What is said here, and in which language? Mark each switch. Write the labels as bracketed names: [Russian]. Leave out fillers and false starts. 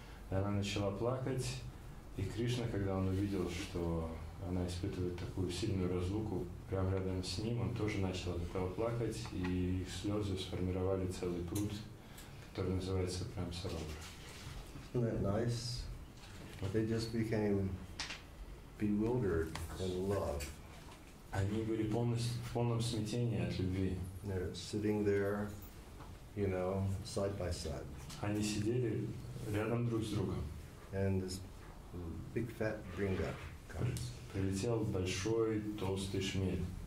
[Russian] И она начала плакать. И Кришна, когда он увидел, что она испытывает такую сильную разлуку прямо рядом с ним, он тоже начал от этого плакать. И их слезы сформировали целый пруд, который называется Prema Sarovar. [English] Nice. They just became bewildered in love. [Russian] Они были в полном смятении от любви. [English] They're sitting there, you know, side by side. [Russian] Они сидели рядом друг с другом. [English] And this big fat gringa comes. [Russian] Прилетел большой толстый шмель.